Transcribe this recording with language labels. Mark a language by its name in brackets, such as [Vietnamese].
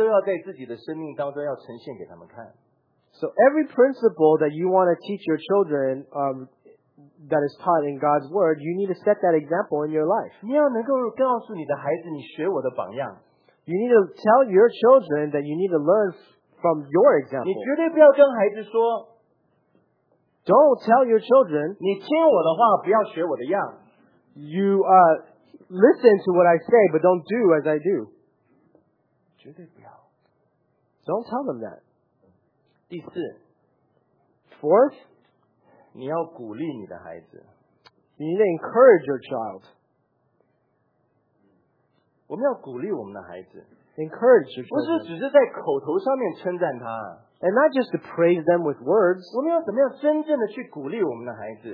[Chinese] 我们在生活上面，每一个我们要教导他们神的原则，我们都要在自己的生命当中要呈现给他们看。 [English] So every principle that you want to teach your children, that is taught in God's word, you need to set that example in your life. [Chinese] 你要能够告诉你的孩子，你学我的榜样。 [English] You need to tell your children that you need to learn from your example. [Chinese] 你绝对不要跟孩子说, [English] don't tell your children, [Chinese] 你听我的话, [English] you listen to what I say, but don't do as I do. [Chinese] 绝对不要. [English] Don't tell them that. [Chinese] 第四, [English] fourth, [Chinese] 你要鼓励你的孩子. [English] You need to encourage your child. [Chinese] 我们要鼓励我们的孩子。 [English] Encourage your children. [Chinese] 不是只是在口头上面称赞他, [English] and not just to praise them with words. [Chinese] 我们要怎么样真正的去鼓励我们的孩子?